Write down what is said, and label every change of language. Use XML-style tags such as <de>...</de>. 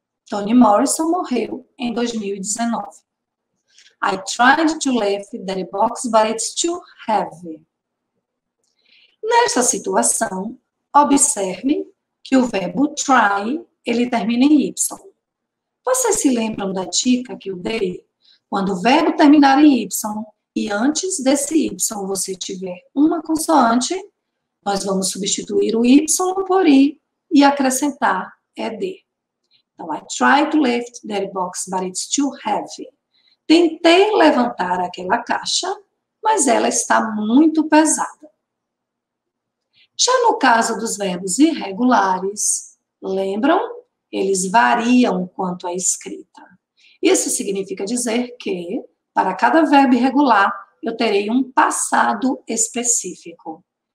<pt>Toni Morrison morreu em 2019.</pt> <en>I tried to lift that box, but it's too heavy.</en> <pt>Nessa situação, observe que o verbo try, ele termina em Y. Vocês se lembram da dica que eu dei? Quando o verbo terminar em Y e antes desse Y você tiver uma consoante, nós vamos substituir o Y por I e acrescentar ED. Então,</pt> <en>I tried to lift that box, but it's too heavy.</en> <pt>Tentei levantar aquela caixa, mas ela está muito pesada. Já no caso dos verbos irregulares, lembram? Eles variam quanto à escrita. Isso significa dizer que, para cada verbo irregular, eu terei um passado específico.</pt>